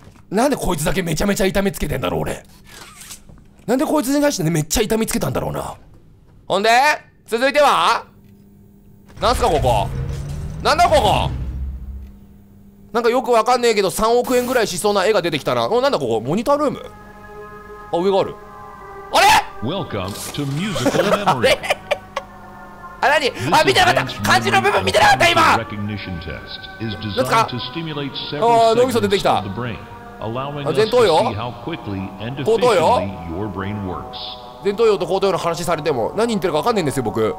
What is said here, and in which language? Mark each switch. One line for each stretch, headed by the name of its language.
Japanese: なんでこいつだけめちゃめちゃ痛みつけてんだろう俺。なんでこいつに対してめっちゃ痛みつけたんだろうな。ほんで続いては、なんすかここ。なんだここ。なんかよくわかんねえけど3億円ぐらいしそうな絵が出てきたな。お、なんだここ、モニタールーム。あ、上がある。あれ？
English: Welcome to musical memory.
Japanese: あれ？あ、何？あ、見てなかった。漢字の部分見てなかった今。なんですか？あ、脳みそ出てきた。あ、前頭葉？後頭葉？前頭葉と後頭葉の話されても何言ってるかわかんないんですよ僕。